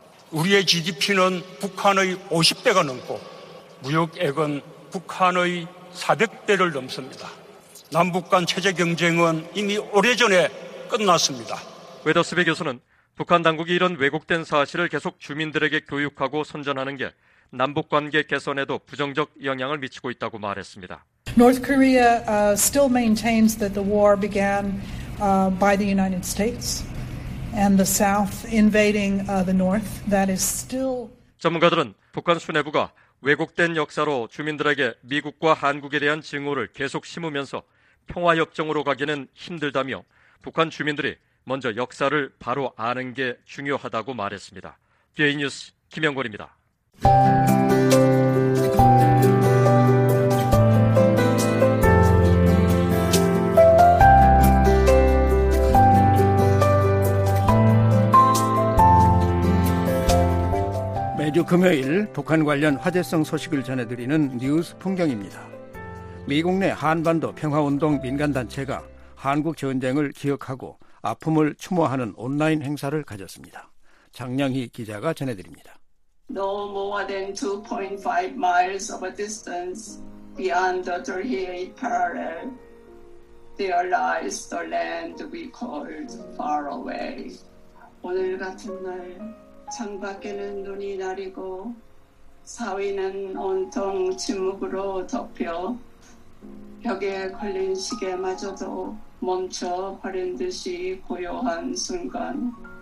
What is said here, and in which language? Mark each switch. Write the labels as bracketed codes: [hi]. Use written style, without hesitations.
[ko] 우리의 GDP는 북한의 50배가 넘고 무역액은 북한의 400배를 넘습니다. 남북 간 체제 경쟁은 이미 오래전에 끝났습니다. 웨더스베 교수는 북한 당국이 이런 왜곡된 사실을 계속 주민들에게 교육하고 선전하는 게 남북 관계 개선에도 부정적 영향을 미치고 있다고 말했습니다. [en] North Korea still maintains that the war began by the United States and the South invading the North. That is still [ko] 전문가들은 북한 수뇌부가 왜곡된 역사로 주민들에게 미국과 한국에 대한 증오를 계속 심으면서 평화협정으로 가기는 힘들다며 북한 주민들이 먼저 역사를 바로 아는 게 중요하다고 말했습니다. VOA 뉴스 김영권입니다. 매주 금요일 북한 관련 화제성 소식을 전해드리는 뉴스 풍경입니다. 미국 내 한반도 평화운동 민간단체가 한국 전쟁을 기억하고 아픔을 추모하는 온라인 행사를 가졌습니다. 장량희 기자가 전해드립니다. [en] No more than 2.5 miles of a distance beyond the 38 parallel, there lies the land we called far away. [ko] 오늘 같은 날 창밖에는 눈이 내리고 사위는 온통 침묵으로 덮여 벽에 걸린 시계마저도 멈춰버린 듯이 고요한 순간.